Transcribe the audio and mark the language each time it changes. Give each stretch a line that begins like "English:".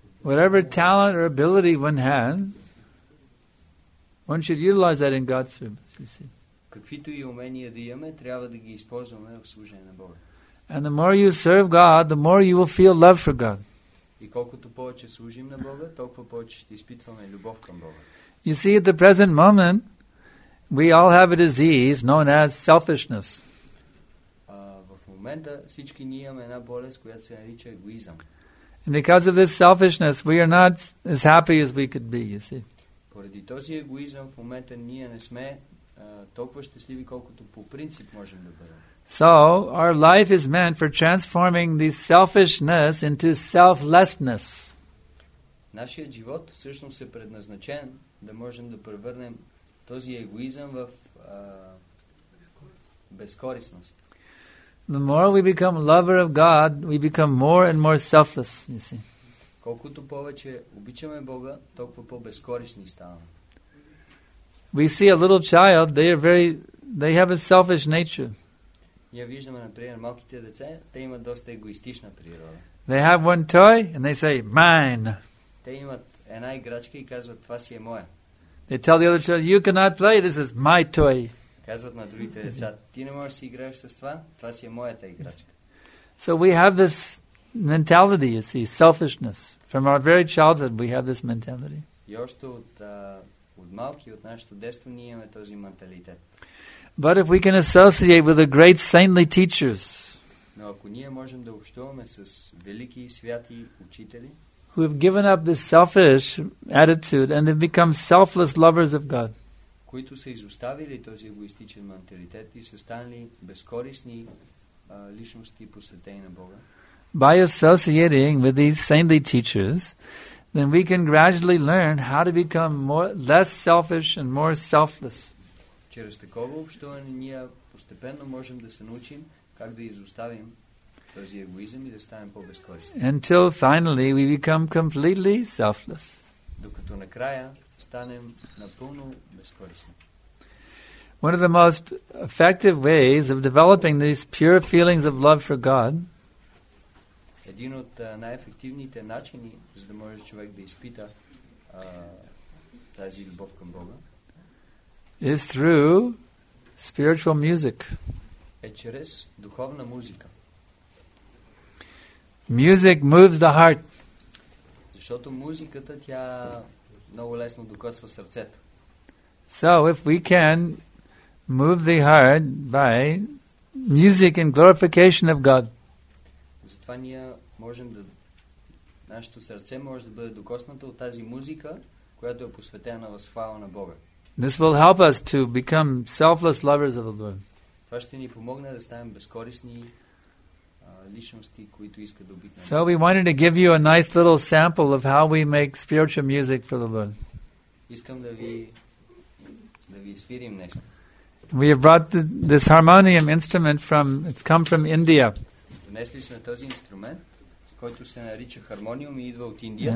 English: Whatever talent or ability one has, one should utilize that in God's service.
Bulgarian: Каквито и умения да имаме, трябва да ги използваме в служение на Бога.
English: And the more you serve God, the more you will feel love for God.
Bulgarian: И колкото повече служим на Бога, толкова повече ще изпитваме любов към Бога.
English: You see, at the present moment, we all have a disease known as selfishness.
Bulgarian: В момента всички ние имаме една болест, която се нарича егоизъм.
English: And because of this selfishness, we are not as happy as we could be, you see.
Bulgarian: Поради този егоизъм в момента ние не сме толкова щастливи, колкото по принцип можем да бъдем.
English: So, our life is meant for transforming the selfishness into selflessness.
Bulgarian: Нашият живот всъщност е предназначен да можем да превърнем този егоизъм в безкорисност.
English: The more we become lover of God, we become more and more selfless, you see.
Bulgarian: Колкото повече обичаме Бога, толкова по-безкорисни ставаме.
English: We see a little child, they have a selfish nature.
Bulgarian: Ние виждаме, например, малките деца, те имат доста егоистична природа.
English: They have one toy and they say, mine.
Bulgarian: Те имат една играчка и казват, това си е моя.
English: They tell the other child, you cannot play, this is my toy.
Bulgarian: Казват на другите деца, ти не можеш да си играеш с това, това си е моята играчка.
English: So we have this mentality, you see, selfishness. From our very childhood, we have this mentality.
Bulgarian: И още от малки, от нашето детство, ние имаме този менталитет.
English: But if we can associate with the great saintly teachers,
Bulgarian: но ако ние можем да общуваме с велики святи учители,
English: who have given up this selfish attitude and have become selfless lovers of God,
Bulgarian: които са изоставили този егоистичен менталитет и са станали безкорисни личности, посветени на Бога.
English: By associating with these saintly teachers, then we can gradually learn how to become more less selfish and more selfless.
Bulgarian: Чрез такова общуване ние постепенно можем да се научим как да изоставим този егоизъм и да станем по-безкорисни.
English: Until finally we become completely selfless.
Bulgarian: Докато накрая станем напълно безкорисни.
English: One of the most effective ways of developing these pure feelings of love for God,
Bulgarian: един от най-ефективните начини, за да може човек да изпита тази любов към Бога,
English: is through spiritual music.
Bulgarian: Е чрез духовна музика.
English: Music moves the heart.
Bulgarian: Защото музиката, тя много лесно докосва сърцето.
English: So if we can move the heart by music and glorification of God,
Bulgarian: затова ние можем да, нашето сърце може да бъде докоснато от тази музика, която е посветена в слава на Бога.
English: This will help us to become selfless lovers of the Lord.
Bulgarian: Това ще ни помогне да станем безкорисни личности, които искат да обикнем.
English: So we wanted to give you a nice little sample of how we make spiritual music for the Lord.
Bulgarian: Искам да ви свирим нещо.
English: We have brought this harmonium instrument from, it's come from India.
Bulgarian: Донесли сме този инструмент, който се нарича хармониум и идва от Индия.